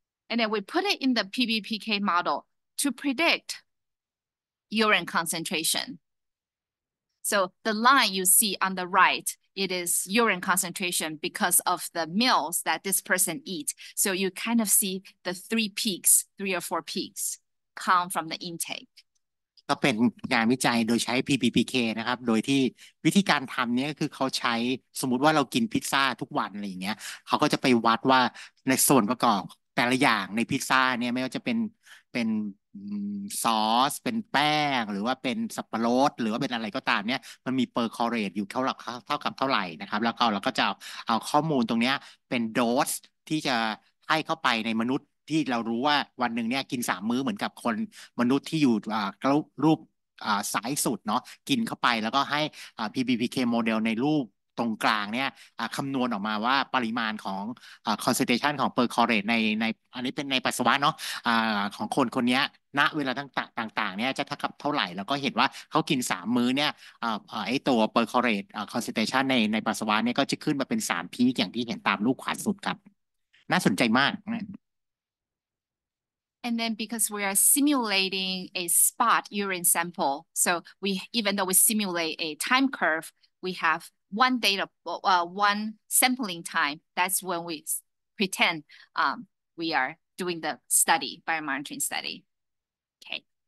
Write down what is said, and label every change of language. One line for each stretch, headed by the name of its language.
English: And then we put it in the PBPK model to predict urine concentration. So the line you see on the right, it is urine concentration because of the meals that this person eats. So you kind of see the three or four peaks come from the intake.
Thai: ก็เป็นงานวิจัยโดยใช้ PBPK นะครับโดยที่วิธีการทำเนี้ยก็คือเขาใช้สมมติว่าเรากินพิซซ่าทุกวันอะไรอย่างเงี้ยเขาก็จะไปวัดว่าในส่วนประกอบแต่ละอย่างในพิซซ่าเนี้ยไม่ว่าจะเป็นซอสเป็นแป้งหรือว่าเป็นสับปะรดหรือว่าเป็นอะไรก็ตามเนี่ยมันมีเปอร์คอร์เรทอยู่เท่ากับเท่าไหร่นะครับแล้วก็จะเอาข้อมูลตรงนี้เป็นโดสที่จะให้เข้าไปในมนุษย์ที่เรารู้ว่าวันหนึ่งเนี่ยกิน3มื้อเหมือนกับคนมนุษย์ที่อยู่ รูปสายสุดเนาะกินเข้าไปแล้วก็ให้ PBPK โมเดลในรูปตรงกลางเนี่ยคำนวณออกมาว่าปริมาณของคอนเซนเทรชันของเปอร์คอร์เรทในอันนี้เป็นในปัสสาวะเนาะของคนคนนี้ณเวลาต่างๆเนี่ยจะเท่ากับเท่าไหร่แล้วก็เห็นว่าเขากิน3มื้อเนี่ยไอ้ตัวเปอร์คอร์เรทคอนเซนเทรชันในปัสสาวะเนี่ยก็จะขึ้นมาเป็น3พีคอย่างที่เห็นตามรูปขวาสุดครับน่าสนใจมากนะ
English: And then because we are simulating a spot urine sample so we even though we simulate a time curve we haveone sampling time, that's when we pretend we are doing the study, biomonitoring study. Okay.